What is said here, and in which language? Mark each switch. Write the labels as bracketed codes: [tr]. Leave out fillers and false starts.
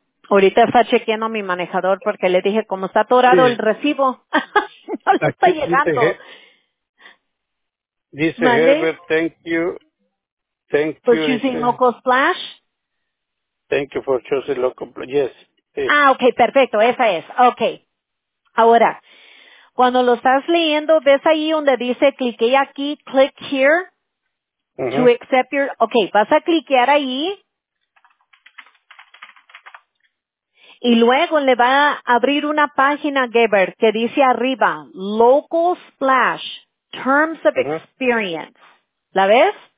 [es] Ahorita está chequeando a mi manejador porque le dije, como está atorado sí. El recibo, no le está llegando. Dice, [en] Herbert, thank you. For choosing Local Splash? Thank you for choosing Local Splash, yes. [es] Ah, okay, perfecto, esa es, okay. Ahora. Cuando lo estás leyendo, ves ahí donde dice clique aquí, [en] click here to accept your. [es] Okay, vas a cliquear ahí. Y luego le va a abrir una página, Geber, que dice arriba, Local Splash, Terms of Experience. ¿La ves?